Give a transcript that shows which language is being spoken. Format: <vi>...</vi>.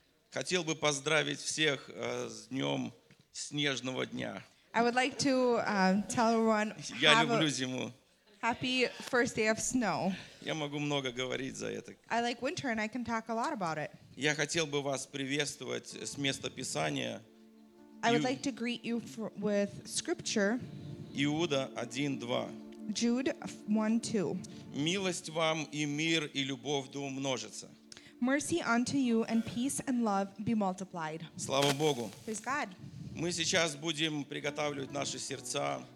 <ru>Хотел бы поздравить всех с днем снежного дня.</ru> <en>I would like to tell everyone.</en> <ru>Я люблю зиму.</ru> <en>Happy first day of snow.</en> <ru>Я могу много говорить за это.</ru> <en>I like winter and I can talk a lot about it.</en> <ru>Я хотел бы вас приветствовать с места Писания.</ru> <en>I would like to greet you with scripture.</en> <ru>Иуда 1:2.</ru> <en>Jude 1:2.</en> <ru>Милость вам и мир и любовь да умножится.</ru> <en>Mercy unto you and peace and love be multiplied.</en> <ru>Слава Богу.</ru> <en>Praise God.</en> <ru>Мы сейчас будем приготавливать наши сердца.</ru>